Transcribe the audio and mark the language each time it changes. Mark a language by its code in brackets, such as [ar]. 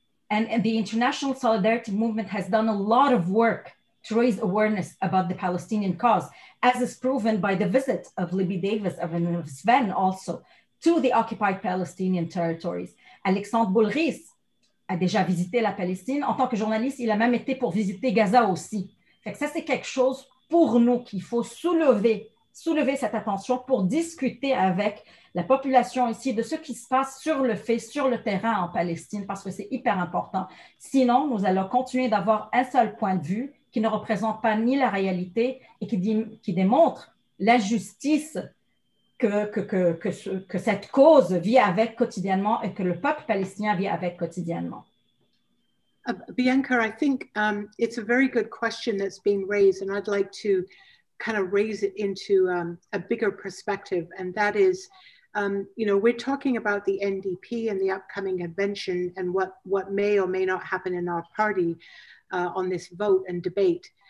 [en] And the international solidarity movement has done a lot of work to raise awareness about the Palestinian cause, as is proven by the visit of Libby Davies and of Svend also to the occupied Palestinian territories. [fr] Alexandre Boulris a déjà visité la Palestine. En tant que journaliste, il a même été pour visiter Gaza aussi. Fait que ça, c'est quelque chose pour nous qu'il faut soulever cette attention pour discuter avec la population ici de ce qui se passe sur le fait, sur le terrain en Palestine, parce que c'est hyper important. Sinon, nous allons continuer d'avoir un seul point de vue qui ne représente pas ni la réalité et qui démontre l'injustice que cette cause vit avec quotidiennement et que le peuple palestinien vit avec quotidiennement. [en] Bianca, I think it's a very good question that's being raised, and I'd like to kind of raise it into a bigger perspective, and that is, you know, we're talking about the NDP and the upcoming convention and what may or may not happen in our party on this vote and debate.